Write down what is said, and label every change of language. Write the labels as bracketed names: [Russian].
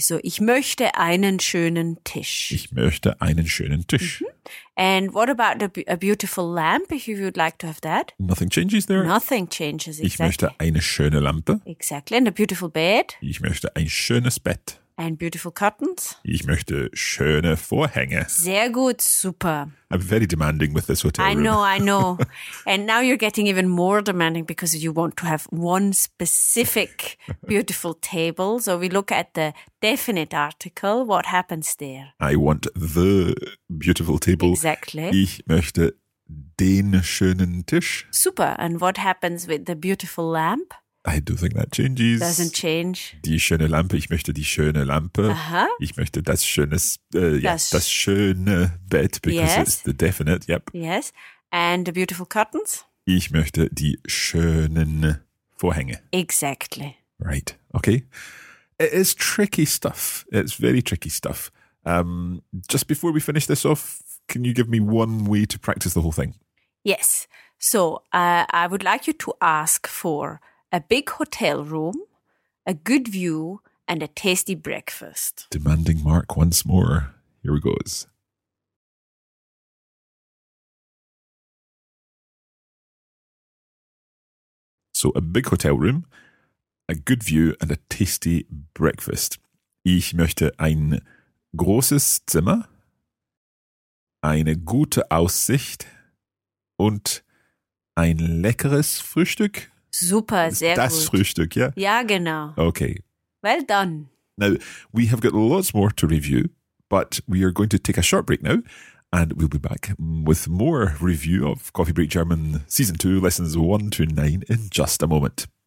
[German] So, ich möchte einen schönen Tisch. Ich möchte einen schönen Tisch. Mm-hmm. [English] And what about a beautiful lamp, if you would like to have that? Nothing changes there. Nothing changes, exactly. [German] Ich möchte eine schöne Lampe. [English] Exactly. And a beautiful bed. [German] Ich möchte ein schönes Bett. [English] And beautiful curtains. [German] Ich möchte schöne Vorhänge. Sehr gut, super. [English] I'm very demanding with this hotel room. I know. And now you're getting even more demanding because you want to have one specific beautiful table. So we look at the definite article. What happens there? I want the beautiful table. Exactly. [German] Ich möchte den schönen Tisch. Super. [English] And what happens with the beautiful lamp? I do think that changes. Doesn't change. [German] Die schöne Lampe. Ich möchte die schöne Lampe. Aha. Ich möchte das schönes, das schöne Bett, [English] because yes. It's the definite. Yep. Yes. And the beautiful curtains. [German] Ich möchte die schönen Vorhänge. [English] Exactly. Right. Okay. It is tricky stuff. It's very tricky stuff. Just before we finish this off, can you give me one way to practice the whole thing? Yes. So I would like you to ask for a big hotel room, a good view, and a tasty breakfast. Demanding Mark once more. Here it goes. So, a big hotel room, a good view, and a tasty breakfast. [German] Ich möchte ein großes Zimmer, eine gute Aussicht und ein leckeres Frühstück. Super, sehr das gut. Das Frühstück, ja? Ja, genau. [English] Okay. Well done. Now, we have got lots more to review, but we are going to take a short break now, and we'll be back with more review of Coffee Break German Season 2, Lessons 1 to 9 in just a moment.